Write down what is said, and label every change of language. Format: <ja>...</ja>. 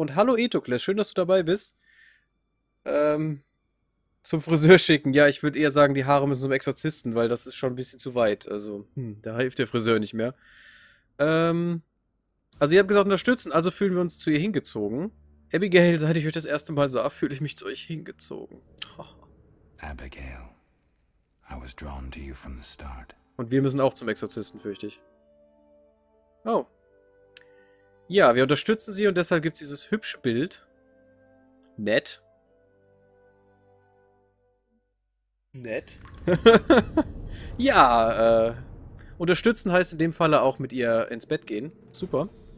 <de>Und hallo Etokles, schön, dass du dabei bist. Zum Friseur schicken. Ja, ich würde eher sagen, die Haare müssen zum Exorzisten, weil das ist schon ein bisschen zu weit. Also, da hilft der Friseur nicht mehr. Also ihr habt gesagt, unterstützen, also fühlen wir uns zu ihr hingezogen. Abigail, seit ich euch das erste Mal sah, fühle ich mich zu euch hingezogen. Oh.</de> <en>Abigail, I was drawn to you from the start.</en> <de>Und wir müssen auch zum Exorzisten, fürchte ich. Oh. Ja, wir unterstützen sie und deshalb gibt es dieses hübsche Bild. Nett. Nett. Ja, unterstützen heißt in dem Falle auch mit ihr ins Bett gehen. Super.</de>